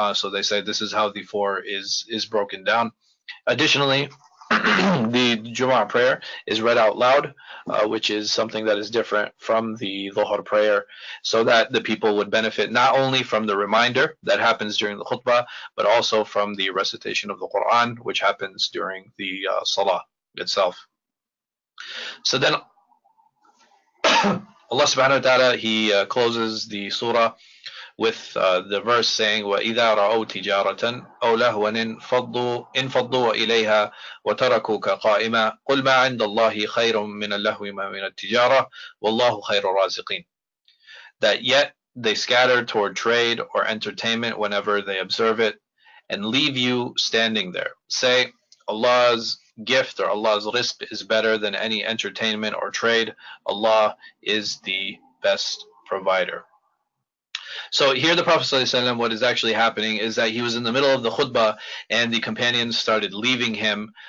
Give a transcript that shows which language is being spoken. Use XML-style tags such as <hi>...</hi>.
<en>So they say this is how the four is broken down. Additionally, the Jumu'ah prayer is read out loud, which is something that is different from the Dhuhr prayer, so that the people would benefit not only from the reminder that happens during the khutbah, but also from the recitation of the Quran, which happens during the Salah itself. So then Allah subhanahu wa ta'ala, he closes the surah with the verse saying,</en> <ar>وَإِذَا رَأَوْ تِجَارَةً أَوْ لَهْوًا انْفَضُّوا إِلَيْهَا وَتَرَكُوكَ قَائِمًا قُلْ مَا عِنْدَ اللَّهِ خَيْرٌ مِّنَ اللَّهْوِ مَا مِّنَ التِّجَارَةِ وَاللَّهُ خَيْرُ الرَّازِقِينَ.</ar> <en>That yet they scatter toward trade or entertainment whenever they observe it, and leave you standing there. Say, Allah's gift or Allah's rizq is better than any entertainment or trade. Allah is the best provider. So here the Prophet sallallahu alaihi wasallam, what is actually happening is that he was in the middle of the khutbah and the companions started leaving him.</en>